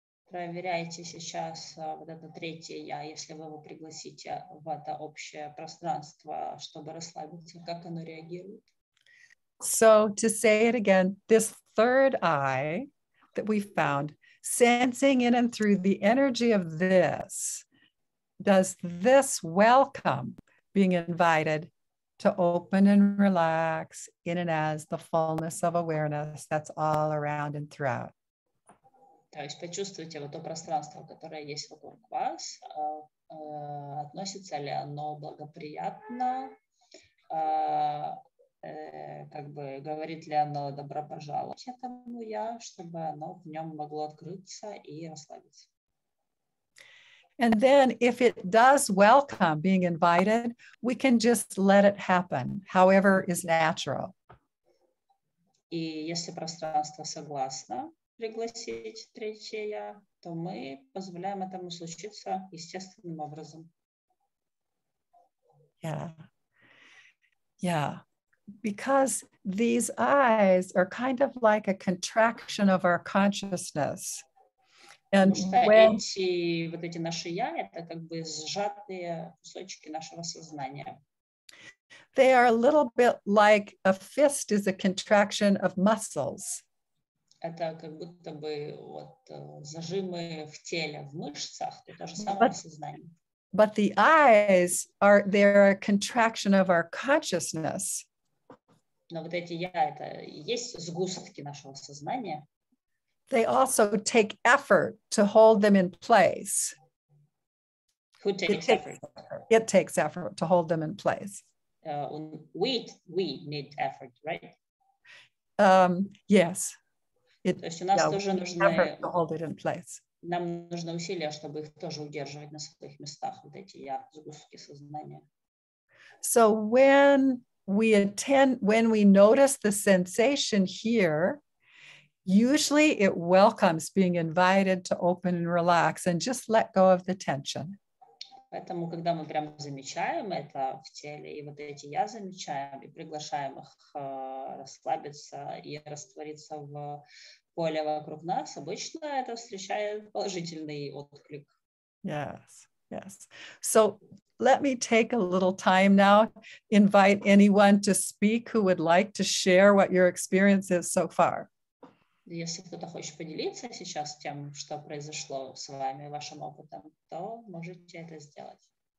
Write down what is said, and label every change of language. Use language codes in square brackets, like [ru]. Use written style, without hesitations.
[ru] Проверяйте сейчас вот это третье я, если вы его пригласите в это общее пространство, чтобы расслабиться, как оно реагирует. [en] So to say it again, this third eye that we found, sensing in and through the energy of this, does this welcome being invited to open and relax in and as the fullness of awareness that's all around and throughout. [ru] То есть почувствуйте вот то пространство, которое есть вокруг вас, относится ли оно благоприятно, как бы говорит ли оно добро пожаловать этому я, чтобы оно в нем могло открыться и расслабиться. [en] And then if it does welcome being invited, we can just let it happen, however is natural. [ru] И если пространство согласно пригласить третье я, то мы позволяем этому случиться естественным образом. [en] Yeah. Yeah. Because these eyes are kind of like a contraction of our consciousness. And when... [ru] эти, вот эти наши я, это как бы сжатые кусочки нашего сознания. [en] They are a little bit like a fist is a contraction of muscles. [ru] Это как будто бы вот зажимы в теле, в мышцах, это то же самое сознание. [en] But the eyes are, they're a contraction of our consciousness. [ru] Но вот эти я, это есть сгустки нашего сознания. [en] They also take effort to hold them in place. Who takes effort? It takes effort to hold them in place. We need effort, right? Yes. [ru] То есть у нас тоже нужно... [en] To hold it in place. [ru] Нам нужно усилия, чтобы их тоже удерживать на своих местах, вот эти я, сгустки сознания. [en] So when we notice the sensation here, usually it welcomes being invited to open and relax and just let go of the tension. [ru] Поэтому, когда мы прям замечаем это в теле, и вот эти я замечаем, и приглашаем их расслабиться и раствориться в поле вокруг нас, обычно это встречает положительный отклик. [en] Yes, yes. So let me take a little time now, invite anyone to speak who would like to share what your experience is so far. [ru] Если кто-то хочет поделиться сейчас тем, что произошло с вами, вашим опытом, то можете это сделать.